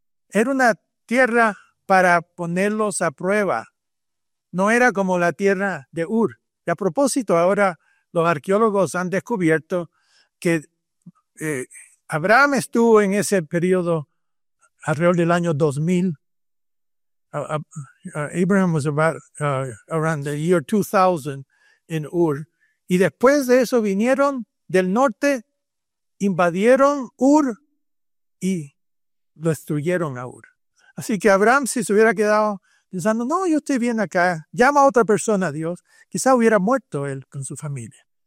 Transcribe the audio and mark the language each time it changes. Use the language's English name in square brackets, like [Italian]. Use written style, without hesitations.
[Spanish] Era una tierra para ponerlos a prueba. No era como la tierra de Ur. Y a propósito, ahora los arqueólogos han descubierto que Abraham estuvo en ese periodo alrededor del año 2000. [English] Abraham was about around the year 2000 in Ur. [Spanish] Y después de eso vinieron del norte, invadieron Ur y destruyeron a Ur. Así que Abraham, si se hubiera quedado pensando, no, yo estoy bien acá, llama a otra persona a Dios, quizá hubiera muerto él con su familia.